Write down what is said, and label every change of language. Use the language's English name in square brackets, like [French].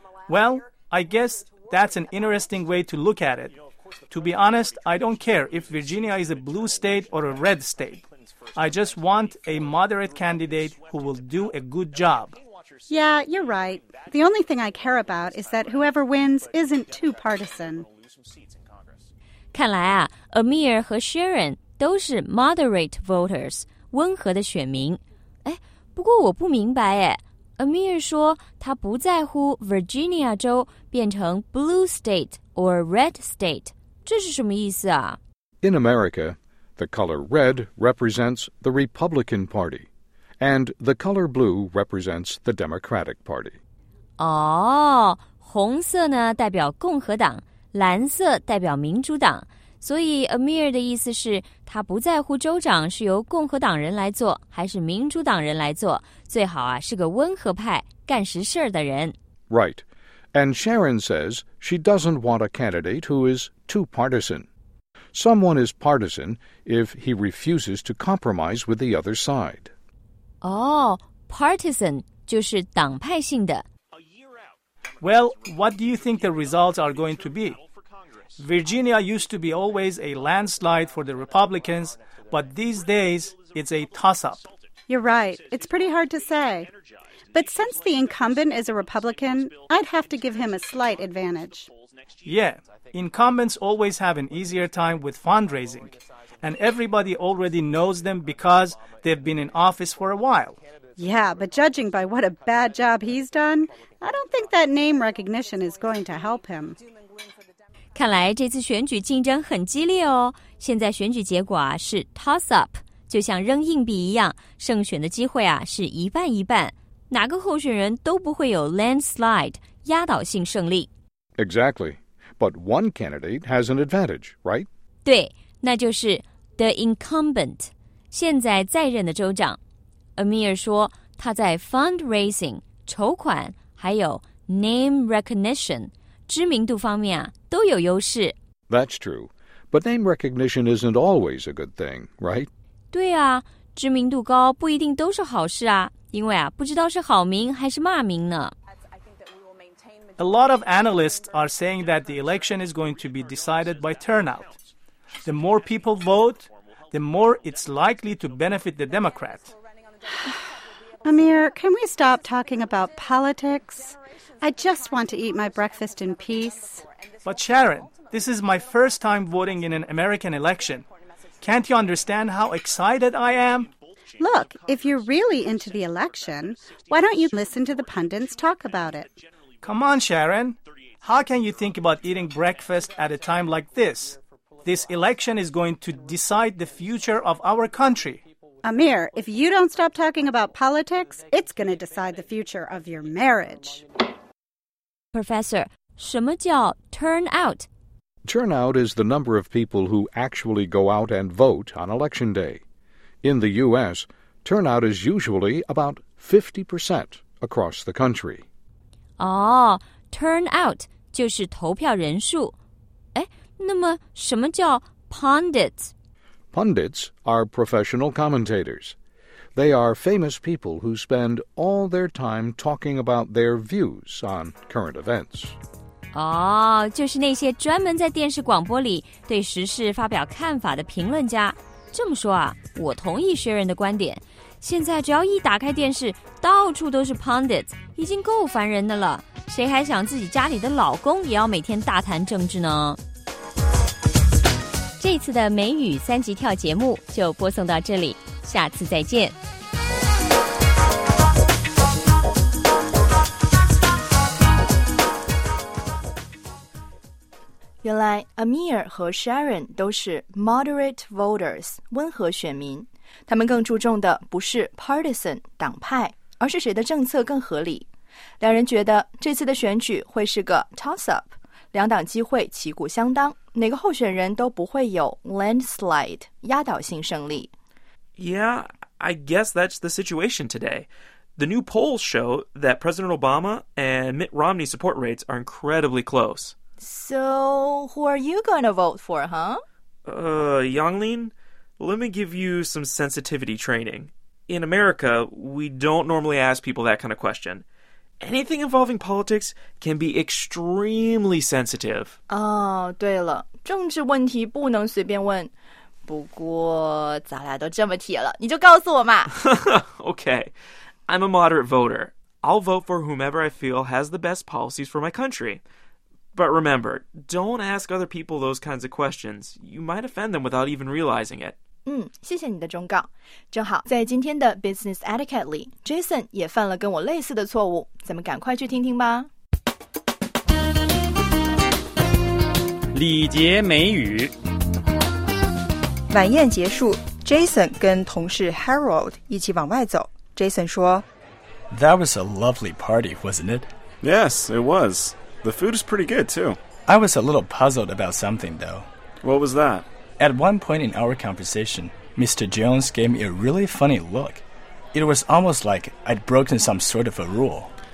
[English] Well, I guess that's an interesting way to look at it. To be honest, I don't care if Virginia is a blue state or a red state. I just want a moderate candidate who will do a good job. Yeah, you're right. The only thing I care about is that whoever wins isn't too partisan. [Chinese] 看来啊 ,Amir 和 Sharon 都是 moderate voters, 温和的选民。哎，不过我不明白哎。 Amir 说他不在乎 Virginia 州变成 [English] blue state or red state, [Chinese] 这是什么意思啊 [English] ?In America, the color red represents the Republican Party, and the color blue represents the Democratic Party. [Chinese] 哦，红色呢代表共和党，蓝色代表民主党，所以 Amir 的意思是他不在乎州长是由共和党人来做还是民主党人来做，最好啊是个温和派干实事的人。 [English] Right. And Sharon says she doesn't want a candidate who is too partisan. Someone is partisan if he refuses to compromise with the other side. [Chinese] 哦、oh, partisan 就是党派性的。 [English] Well, what do you think the results are going to be? Virginia used to be always a landslide for the Republicans, but these days it's a toss-up. You're right. It's pretty hard to say. But since the incumbent is a Republican, I'd have to give him a slight advantage. Yeah, incumbents always have an easier time with fundraising, and everybody already knows them because they've been in office for a while. Yeah, but judging by what a bad job he's done, I don't think that name recognition is going to help him. [Chinese] 看来这次选举竞争很激烈哦。现在选举结果、啊、是 toss up, 就像扔硬币一样，胜选的机会、啊、是一半一半，哪个候选人都不会有 landslide, 压倒性胜利。 [English] Exactly. But one candidate has an advantage, right? [Chinese] 对，那就是 the incumbent, 现在在任的州长。 Amir 说他在 fundraising, 筹款还有 name recognition, 知名度方面、啊、都有优势。 [English] That's true. But name recognition isn't always a good thing, right? [Chinese] 对啊，知名度高不一定都是好事啊，因为啊，不知道是好名还是骂名呢。 [English] A lot of analysts are saying that the election is going to be decided by turnout. The more people vote, the more it's likely to benefit the Democrat. Amir, can we stop talking about politics? I just want to eat my breakfast in peace. But Sharon, this is my first time voting in an American election. Can't you understand how excited I am? Look, if you're really into the election, why don't you listen to the pundits talk about it? Come on, Sharon. How can you think about eating breakfast at a time like this? This election is going to decide the future of our country. Amir, if you don't stop talking about politics, it's going to decide the future of your marriage. [Chinese] Professor, 什么叫 turnout? [English] Turnout is the number of people who actually go out and vote on election day. In the U.S., turnout is usually about 50% across the country. [Chinese] Oh, turnout 就是投票人数。哎，那么什么叫 pundits? [English] Pundits are professional commentators. They are famous people who spend all their time talking about their views on current events. [Chinese] 哦，就是那些专门在电视广播里对时事发表看法的评论家。这么说啊，我同意Sharon的观点。现在只要一打开电视，到处都是 pundits， 已经够烦人的了。谁还想自己家里的老公也要每天大谈政治呢？这次的美语三级跳节目就播送到这里，下次再见。原来 Amir 和 Sharon 都是 moderate voters 温和选民，他们更注重的不是 partisan 党派，而是谁的政策更合理。两人觉得这次的选举会是个 toss up，两党机会旗鼓相当，哪个候选人都不会有 landslide 压倒性胜利。 [English] Yeah, I guess that's the situation today. The new polls show that President Obama and Mitt Romney support rates are incredibly close. So, who are you going to vote for, huh? Yonglin, let me give you some sensitivity training. In America, we don't normally ask people that kind of question. Anything involving politics can be extremely sensitive. [Chinese] Oh, 对了，政治问题不能随便问。不过咱俩都这么铁了，你就告诉我嘛。 [English] Okay, I'm a moderate voter. I'll vote for whomever I feel has the best policies for my country. But remember, don't ask other people those kinds of questions. You might offend them without even realizing it. [Chinese] 嗯，谢谢你的忠告。正好在今天的 Business Etiquette 里 ，Jason 也犯了跟我类似的错误，咱们赶快去听听吧。礼节美语。晚宴结束 ，Jason 跟同事 Harold 一起往外走。 Jason 说 [English] ：“That was a lovely party, wasn't it? Yes, it was. The food is pretty good too. I was a little puzzled about something, though. What was that?” At one point in our conversation, Mr. Jones gave me a really funny look. It was almost like I'd broken some sort of a rule.